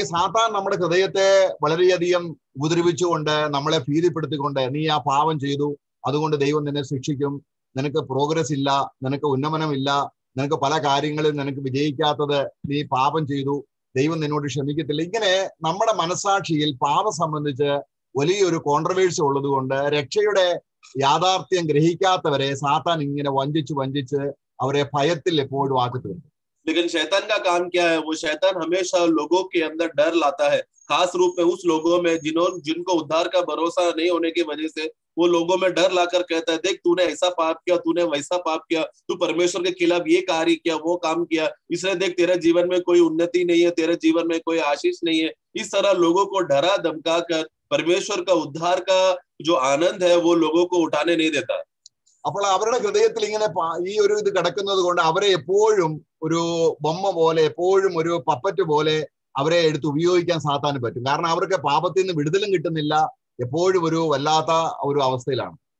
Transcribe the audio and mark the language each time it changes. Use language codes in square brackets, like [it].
[ml] സാത്താൻ നമ്മുടെ ഹൃദയത്തെ വളരെയധികം ഉപദ്രവിച്ചുകൊണ്ട് നമ്മളെ ഭീതിപ്പെടുത്തിക്കൊണ്ട് നീ ആ പാപം ചെയ്തു അതുകൊണ്ട് ദൈവം നിന്നെ ശിക്ഷിക്കും നിനക്ക് പ്രോഗ്രസ് ഇല്ല നിനക്ക് ഉന്നമനം ഇല്ല നിനക്ക് പല കാര്യങ്ങളിൽ നിനക്ക് വിജയിക്കാത്തത് നീ പാപം ചെയ്തു ദൈവം നിന്നോട് ക്ഷമിക്കത്തില്ല ഇങ്ങനെ നമ്മുടെ മനസാക്ഷിയിൽ പാപം സംബന്ധിച്ച് വലിയൊരു കോൺട്രവേഴ്സി ഉള്ളത് കൊണ്ട് രക്ഷയുടെ യാഥാർത്ഥ്യം ഗ്രഹിക്കാത്തവരെ സാത്താൻ ഇങ്ങനെ വഞ്ചിച്ച് അവരെ ഭയത്തിൽ എപ്പോഴും ആക്കിത്തുണ്ട് [hi] लेकिन शैतान का काम क्या है वो शैतान हमेशा लोगों के अंदर डर लाता है खास रूप में उस लोगों में जिन्होंने जिनको उद्धार का भरोसा नहीं होने की वजह से वो लोगों में डर लाकर कहता है देख तूने ऐसा पाप किया तूने वैसा पाप किया तू परमेश्वर के खिलाफ ये कार्य किया वो काम किया इसलिए देख तेरे जीवन में कोई उन्नति नहीं है तेरे जीवन में कोई आशीष नहीं है इस तरह लोगों को डरा धमका कर परमेश्वर का उद्धार का जो आनंद है वो लोगों को उठाने नहीं देता [ml] അപ്പോൾ അവരുടെ ഹൃദയത്തിൽ ഇങ്ങനെ ഈ ഒരു ഇത് കിടക്കുന്നത് കൊണ്ട് അവരെ എപ്പോഴും ഒരു ബൊമ്മ പോലെ എപ്പോഴും ഒരു പപ്പറ്റ് പോലെ അവരെ എടുത്ത് ഉപയോഗിക്കാൻ സാത്താൻ പറ്റും കാരണം അവർക്ക് പാപത്തിൽ നിന്ന് വിടുതലും കിട്ടുന്നില്ല എപ്പോഴും ഒരു വല്ലാത്ത ഒരു അവസ്ഥയിലാണ്